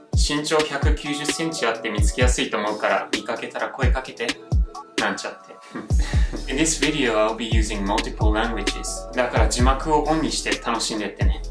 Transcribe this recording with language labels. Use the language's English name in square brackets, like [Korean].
[Japanese] 身長190センチあって見つけやすいと思うから、見かけたら声かけて。なんちゃって。 [English] In this video, I'll be using multiple languages. [Japanese] だから字幕をオンにして楽しんでってね。